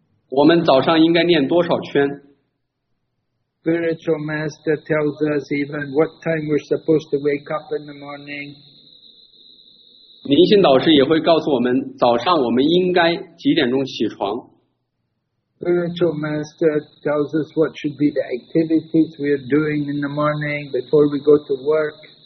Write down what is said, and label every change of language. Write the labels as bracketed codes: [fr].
[zh] 我们早上应该念多少圈? [en] Spiritual master tells us even what time we're supposed to wake up in the morning. [zh] 灵性导师也会告诉我们早上我们应该几点钟起床。 [en] Spiritual master tells us what should be the activities we are doing in the morning before we go to work.